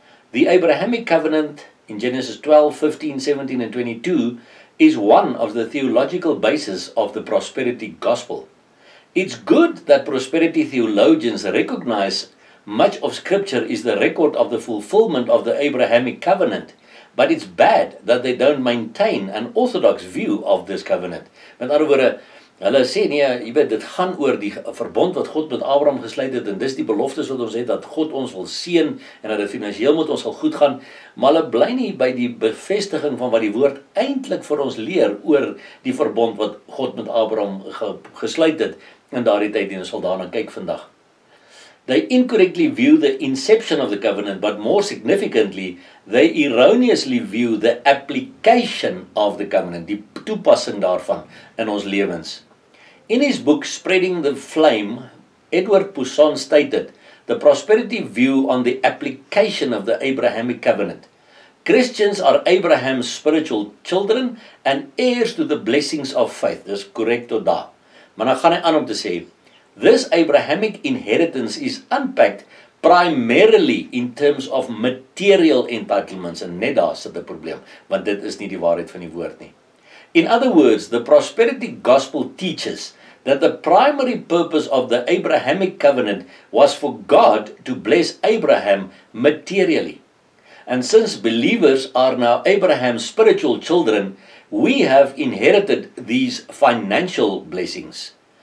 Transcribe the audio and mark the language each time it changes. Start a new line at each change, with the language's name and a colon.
English: The Abrahamic covenant in Genesis 12, 15, 17, and 22 is one of the theological bases of the prosperity gospel. It's good that prosperity theologians recognize much of scripture is the record of the fulfillment of the Abrahamic covenant, But it's bad that they don't maintain an orthodox view of this covenant.
Afrikaans: Met ander woorde, hulle sê nee, jy weet, dit gaan oor die verbond wat God met Abraham gesluit het, en dis die beloftes wat ons het, dat God ons wil seën, en dat het financieel met ons sal goed gaan, maar hulle bly nie by die bevestiging van wat die woord eintlik vir ons leer, oor die verbond wat God met Abraham gesluit het, in daardie tyd, en ons sal daarna kyk vandag.
English: They incorrectly view the inception of the covenant, but more significantly, they erroneously view the application of the covenant,
Afrikaans: die toepassing daarvan in ons lewens.
English: In his book Spreading the Flame, Edward Pusson stated, the prosperity view on the application of the Abrahamic covenant. Christians are Abraham's spiritual children and heirs to the blessings of faith.
Afrikaans: Dis korrek tot daar. Maar dan gaan hy aan om te sê,
English: this Abrahamic inheritance is unpacked primarily in terms of material entitlements.
Afrikaans: En net daar sit die probleem, want dit is nie die waarheid van die woord nie.
English: In other words, the prosperity gospel teaches that the primary purpose of the Abrahamic covenant was for God to bless Abraham materially. And since believers are now Abraham's spiritual children, we have inherited these financial blessings.